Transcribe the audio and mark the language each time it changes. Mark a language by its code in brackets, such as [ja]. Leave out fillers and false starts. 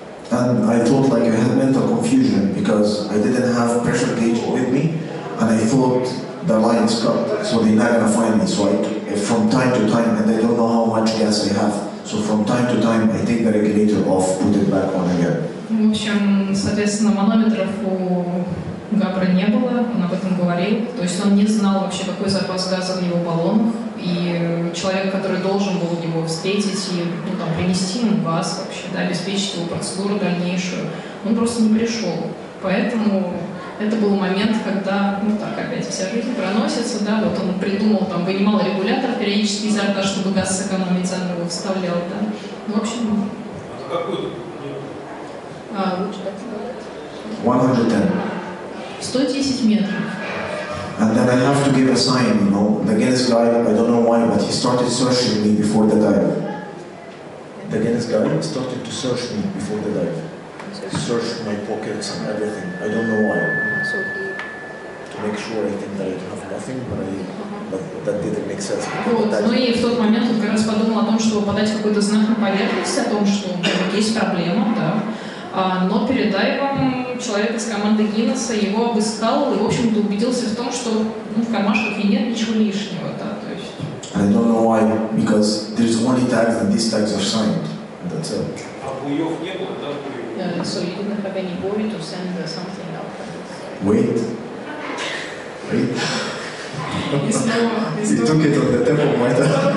[en] And I thought like I had mental confusion because I didn't have pressure gauge with me, and I thought the line's cut, so they're not gonna find me. So from time to time, and I don't know how much gas I have, so from time to time I take the regulator off, put it back on again. [ru] В общем, соответственно, манометров у Габра не было, он об этом говорил. То есть он не знал вообще, какой запас газа в его баллонах. И человек, который должен был его встретить и, ну, там, принести ему газ вообще, да, обеспечить его процедуру дальнейшую, он просто не пришел. Поэтому это был момент, когда, ну так, опять вся жизнь проносится, да, вот он придумал, там, вынимал регулятор периодически изо рта, чтобы газ сэкономить, заново вставлял, да. Ну, в общем... А какой? Лучше так сказать. 110. 110 метров. [en] And then I have to give a sign, you know. The Guinness guy, I don't know why, but he started searching me before the dive. The Guinness guy started to search me before the dive. He searched my pockets and everything. I don't know why. To make sure I think that I have nothing, but but that didn't make sense. [ru] Вот, ну и в тот момент он как раз подумал о том, чтобы подать какой-то знак на поверхность, о том, что есть проблема, да. Но перед дайвом человек из команды Гиннесса его обыскал и, в общем-то, убедился в том, что, ну, в кармашках и нет ничего лишнего, да, то есть... [en] I don't know why, because there's only tags and these tags are signed, that's it. [ru] А буев не было, да, буев? [en] So you didn't have any buoy to send something out for this. Wait. It's no... You took it on the tempo, my dad.